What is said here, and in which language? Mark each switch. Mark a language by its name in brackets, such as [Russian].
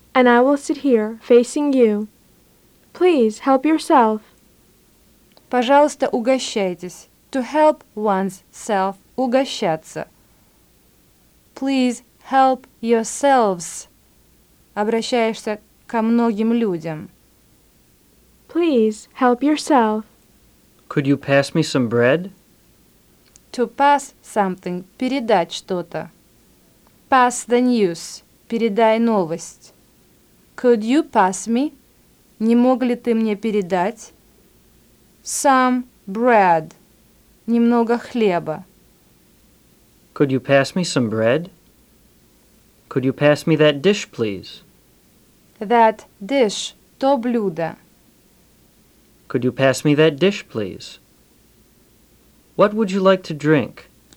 [English] and I will sit here facing you. Please help yourself. [Russian] Пожалуйста, угощайтесь. [English] To help one's self, угощаться. Please help yourselves. [Russian] Обращаешься ко многим людям. [English] Please help yourself. Could you pass me some bread? To pass something, [Russian] передать что-то. [English] Pass the news, [Russian] передай новость. [English] Could you pass me? [Russian] Не мог ли ты мне передать? [English] Some bread, [Russian] немного хлеба. [English] Could you pass me some bread? Could you pass me that dish, please? That dish, [Russian] то блюдо. [English] Could you pass me that dish, please? What would you like to drink?